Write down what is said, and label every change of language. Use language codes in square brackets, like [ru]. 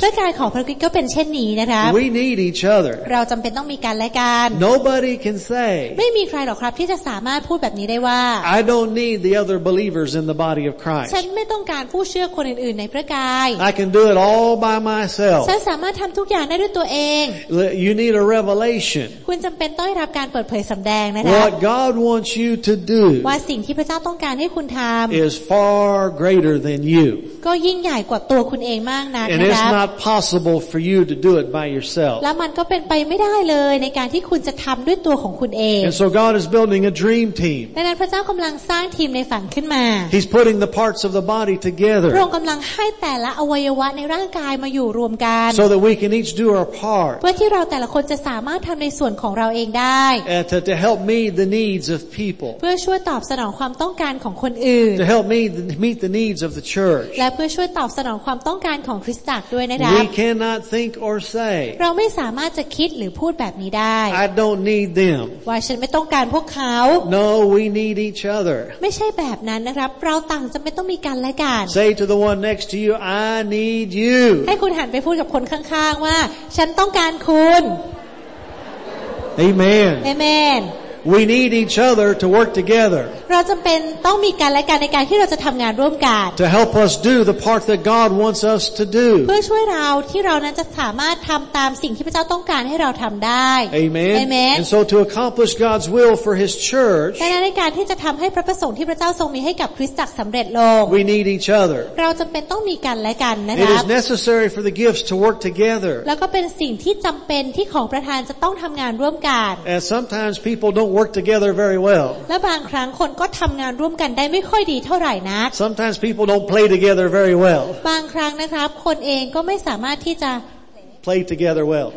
[th] ร่างกายของพระคริสต์ก็เป็นเช่นนี้นะครับ [en] We need each other [th] เราจำเป็นต้องมีกันและกัน [en] Nobody can say [th] ไม่มีใครหรอกครับที่จะสามารถพูดแบบนี้ได้ว่า [en] I don't need the other believers in the body of Christ [th] ฉันไม่ต้องการผู้เชื่อคนอื่นๆในพระกาย [en] I can do it all by myself [th] ฉันสามารถทำทุกอย่างได้ด้วยตัวเอง [en] You need a revelation [th] คุณจำเป็นต้องได้รับการเปิดเผยสำแดงนะครับ [en] What God wants you to do [th] ว่าสิ่งที่พระเจ้าต้องการให้คุณทำ [en] is far greater than you [th] ก็ยิ่งใหญ่กว่าตัวคุณเองมากนะครับ [en] And it's not possible for you to do it by yourself [th] แล้วมันก็เป็นไปไม่ได้เลยในการที่คุณจะทำด้วยตัวของคุณเอง [en] And so God is building a dream team [th] ดังนั้นพระเจ้ากำลังสร้างทีมในฝันขึ้นมา [en] He's putting the parts of the body together [th] พระองค์กำลังให้แต่ละอวัยวะในร่างกายมาอยู่รวมกัน [en] So that we can each do our part [th] เพื่อที่เราแต่ละคนจะสามารถทำในส่วนของเราเองได้ [en] And to help meet the needs of people [th] เพื่อช่วยตอบสนองความต้องการของคนอื่น [en] To help meet the needs of the church [th] และเพื่อช่วยตอบสนองความต้องการของคริสตจักรด้วยนะครับ [en] We cannot think or say [th] เราไม่สามารถจะคิดหรือพูดแบบนี้ได้ [en] I don't need them [th] ว่าฉันไม่ต้องการพวกเขา [en] No we need each other [th] ไม่ใช่แบบนั้นนะครับเราต่างจะไม่ต้องมีกันและกัน [en] Say to the one next to you I need you [th] ให้คุณหันไปพูดกับคนข้างๆว่าฉันต้องการคุณ [en] Amen Amen We need each other to work together. [th] เราจำเป็นต้องมีกันและกันในการที่เราจะทำงานร่วมกัน [en] To help us do the part that God wants us to do. [th] เพื่อช่วยเราที่เรานั้นจะสามารถทำตามสิ่งที่พระเจ้าต้องการให้เราทำได้ [en] Amen. Amen. And so to accomplish God's will for His church. [th] ดังนั้นในการที่จะทำให้พระประสงค์ที่พระเจ้าทรงมีให้กับคริสตจักรสำเร็จลง [en] We need each other. [th] เราจำเป็นต้องมีกันและกันนะครับ [en] It is necessary for the gifts to work together. [th] แล้วก็เป็นสิ่งที่จำเป็นที่ของประธานจะต้องทำงานร่วมกัน [en] And sometimes people don'twork together very well. [th] และบางครั้งคนก็ทำงานร่วมกันได้ไม่ค่อยดีเท่าไหร่นัก [en] Sometimes people don't play together very well. [th] บางครั้งนะครับคนเองก็ไม่สามารถที่จะ [en] play together well